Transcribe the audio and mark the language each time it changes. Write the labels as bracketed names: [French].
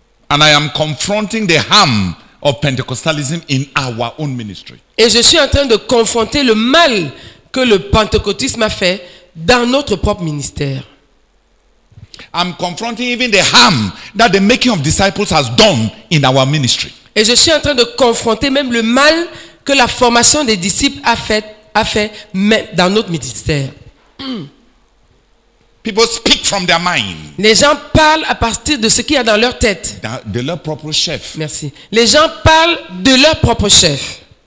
[English] And I am confronting the harm of Pentecostalism in our own ministry. [French] Et je suis en train de confronter le mal que le pentecôtisme a fait dans notre propre ministère. [English] I'm confronting even the harm that the making of disciples has done in our ministry. [French] Et je suis en train de confronter même le mal que la formation des disciples a fait dans notre ministère. [English] People speak from their mind. [French] Les gens parlent à partir de ce qu'il y a dans leur tête. De leur propre chef. Merci. Les gens parlent de leur propre chef.